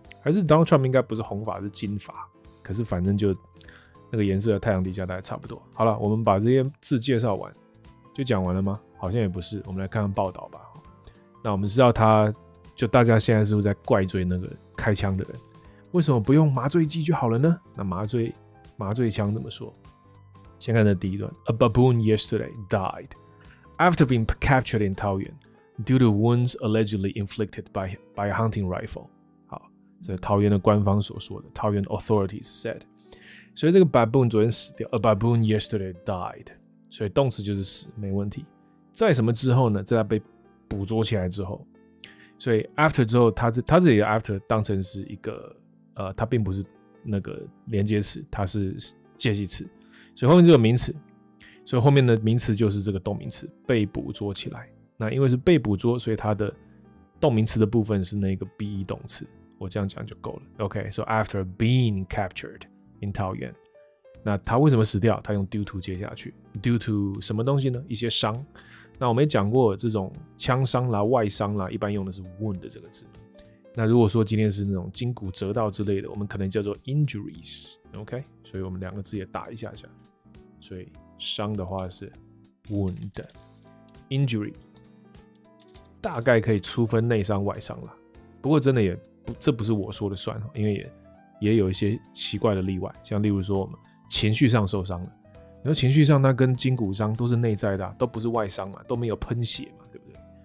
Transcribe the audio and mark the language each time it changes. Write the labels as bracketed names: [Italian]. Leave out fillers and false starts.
[Chinese] 还是 Donald Trump 应该不是红发，是金发。可是反正就那个颜色的太阳底下大概差不多。好了，我们把这些字介绍完，就讲完了吗？好像也不是，我们来看看报道吧。那我们知道他，就大家现在是不是在怪罪那个开枪的人？为什么不用麻醉剂就好了呢？那麻醉枪怎么说？先看这第一段 [English] ：A baboon yesterday died after being captured in Taoyuan due to wounds allegedly inflicted by a hunting rifle。 [Chinese] 好，这是桃园的官方所说的 ， [English] Taoyuan authorities said。 [Chinese] 所以这个 baboon 昨天死掉 ， [English] A baboon yesterday died。 [Chinese] 所以动词就是死，没问题。在什么之后呢？在他被捕捉起来之后，所以 after 之后，他这里的 after 当成是一个他并不是那个连接词，他是介系词，所以后面就有名词，所以后面的名词就是这个动名词被捕捉起来。那因为是被捕捉，所以他的动名词的部分是那个 be 动词，我这样讲就够了。 [English] OK， so after being captured in Taoyuan。 [Chinese] 那他为什么死掉？他用 due to 接下去 ，due to 什么东西呢？一些伤。那我们也讲过，这种枪伤啦、外伤啦，一般用的是 wound 这个字。那如果说今天是那种筋骨折到之类的，我们可能叫做 injuries， OK， 所以我们两个字也打一下下，所以伤的话是 wound， injury， 大概可以粗分内伤外伤啦，不过真的也不，这不是我说的算，因为也有一些奇怪的例外，像例如说我们情绪上受伤了，然后情绪上那跟筋骨伤都是内在的、啊、都不是外伤嘛，都没有喷血嘛，对不对？